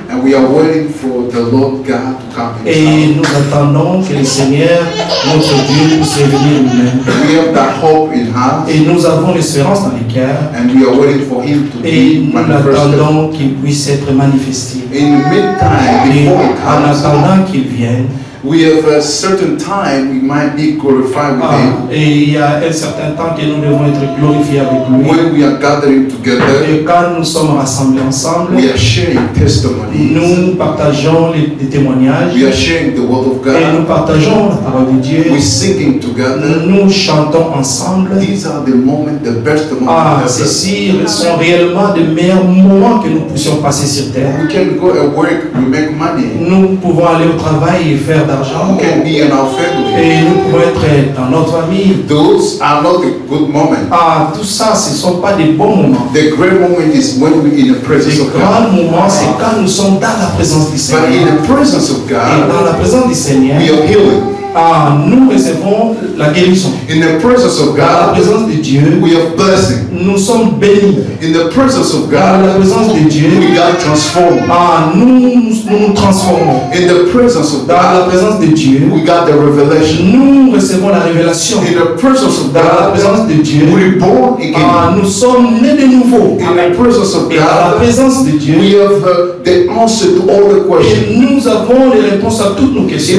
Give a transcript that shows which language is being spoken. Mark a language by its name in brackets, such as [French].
[English] And we are waiting for the Lord God to come. [French] Et nous attendons que le Seigneur notre Dieu puisse venir nous-mêmes. [English] We have that hope in us. [French] Et nous avons l'espérance dans les cœurs. [English] And we are waiting for Him to be manifested. [French] Et nous attendons qu'il puisse être manifesté. [English] In the meantime, before it comes, [French] en attendant qu'il vienne. [English] We have a certain time we might be glorified with Him. [French] Et il y a un certain temps que nous devons être glorifiés avec lui. [English] When we are gathering together, [French] et quand nous sommes rassemblés ensemble, [English] we are sharing testimonies. [French] Nous partageons les témoignages. [English] We are sharing the word of God. [French] Et nous partageons la parole de Dieu. [English] We singing together. [French] Nous chantons ensemble. [English] These are the moments, the best moments. [French] Ah, ceci sont réellement les meilleurs moments que nous puissions passer sur terre. [English] We can go and work, we make money. [French] Nous pouvons aller au travail et faire d'argent et nous pouvons être dans notre famille. [English] Those are not the good moments. [French] Ah, tout ça, ce ne sont pas des bons moments. [English] The great moment is when we're in the presence of God. [French] Le grand moment, c'est quand nous sommes dans la présence du Seigneur. [English] But in the presence of God, [French] et dans la présence du Seigneur, [English] we are healing. [French] Ah, nous recevons la guérison. [English] In the presence of God, [French] dans la présence de Dieu, [English] we are blessing. [French] Nous sommes bénis. [English] In the presence of God, [French] dans la présence de Dieu, [English] we are transformed. [French] Ah, nous nous transformons. [English] In the presence of God, [French] dans la présence de Dieu, [English] we got the revelation. [French] Nous recevons la révélation. [English] In the presence of God, [French] dans la présence de Dieu, [English] we are born again. [French] Ah, nous sommes nés de nouveau. [English] In the presence of God, [French] dans la présence de Dieu, [English] we have the answer to all the questions. [French] Et nous avons les réponses à toutes nos questions.